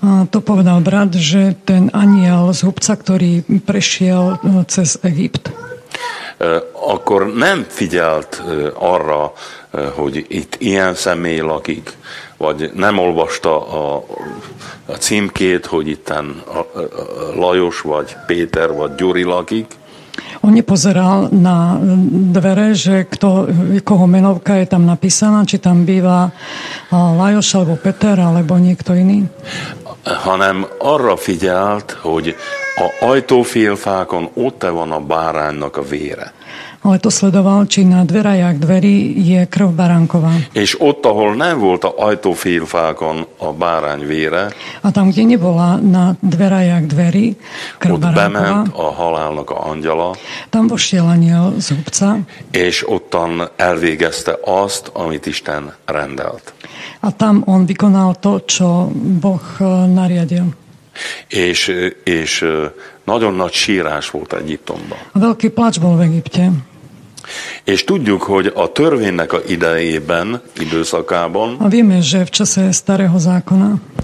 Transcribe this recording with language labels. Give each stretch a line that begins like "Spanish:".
Slovak: To povedal brat, že ten aniel z hubca, ktorý prešiel cez Egypt.
Hungarian: Akkor nem figyelt arra, hogy itt ilyen személy lakik, vagy nem olvasta a címkét, hogy itten Lajos, vagy Péter, vagy Gyuri lakik.
Slovak: On nepozeral na dvere, že kto, koho menovka je tam napísaná, či tam býva Lajos, alebo Peter, alebo niekto iný.
Hungarian: Hanem arra figyelt, hogy a ajtófélfákon ott van a báránynak a vére.
Slovak: Ale to sledoval, či na dverajách dverí je krv baránková.
Hungarian: És ott, ahol nem volt a ajtófélfákon a bárány vére,
Slovak: a tam, kde nebola na dverajách dverí krv baránková,
Hungarian: ott bement a halálnak a angyala,
Slovak: tam vošiel aniel z hubca,
Hungarian: és ottan elvégezte azt, amit Isten rendelt.
Slovak: A tam on vykonal to, čo Boh nariadil.
Hungarian: És nagyon nagy sírás volt Egyiptomban.
Slovak: A veľký plač bol v Egypte.
Hungarian: És tudjuk, hogy a törvénynek a idejében, időszakában,
Slovak: a vieme, že v čase starého zákona,